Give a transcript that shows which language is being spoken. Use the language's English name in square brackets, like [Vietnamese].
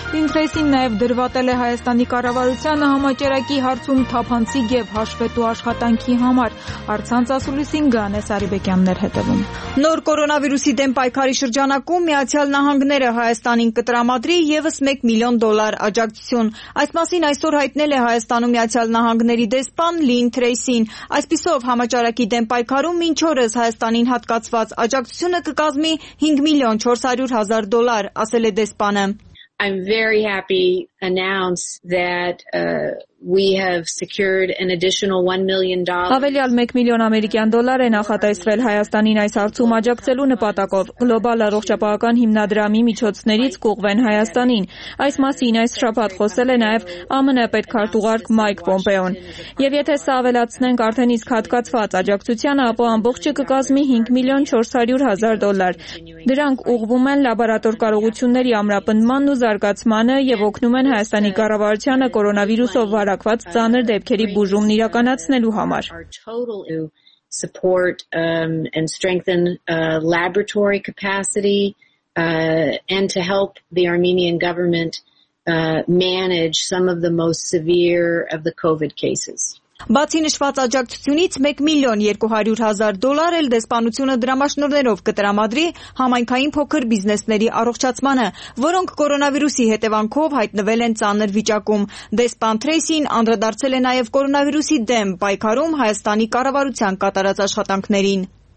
[Armenian] Ինքնեսին նաև դրվատել է Հայաստանի կառավարությանը համաճարակի հարցում թափանցիկ եւ հաշվետու աշխատանքի համար։ Արցանց ասուլիսին Գանես Արիբեկյաններ հետևում։ Նոր կորոնավիրուսի դեմ պայքարի շրջանակում Միացյալ Նահանգները Հայաստանին կտրամադրի եւս 1 միլիոն դոլար աջակցություն։ Այս մասին այսօր հայտնել է Հայաստանում Միացյալ Նահանգների դեսպան Լին Թրեյսին։ Այսպիսով համաճարակի դեմ պայքարում մինչ օրս Հայաստանին հատկացված աջակցությունը կկազմի 5 միլիոն 400 հազար դոլար, ասել է դեսպանը։ [English] I'm very happy to announce that we have secured an additional $1 million. [Armenian] Ավելյալ 1 միլիոն ամերիկյան դոլար է նախատեսվել Հայաստանին այս հարցում աջակցելու նպատակով։ Գլոբալ առողջապահական հիմնադրամի միջոցներից կուղվեն Հայաստանին։ Այս մասին այս շաբաթ խոսել է նաև ԱՄՆ պետքարտուղարք Մայք Պոմպեոն։ Եվ եթե սա ավելացնենք արդեն իսկ հատկացված աջակցությանը, ապա ամբողջը կկազմի 5 միլիոն 400 հազար դոլար։ Դրանք ուղղվում են լաբորատոր կարողությունների ամրապնդմանն ու զարգացմանը եւ օգնում են Հայաստանի կառավարությանը կորոնավիրուսով վարակված ծանր դեպքերի բուժումն իրականացնելու համար։ [English] Support and strengthen laboratory capacity and to help the Armenian government manage some of the most severe of the COVID cases. [Armenian] Բացի նշված աջակցությունից 1 միլիոն 200 հազար դոլար էլ դեսպանությունը դրամաշնորներով կտրամադրի համայնքային փոքր բիզնեսների առողջացմանը, որոնք կորոնավիրուսի հետևանքով հայտնվել են ծանր վիճակում։ Դեսպան Թրեյսին անդրադարձել է նաև կորոնավիրուսի դեմ պայքարում Հայաստանի կառավարության կատարած աշխատանքներին։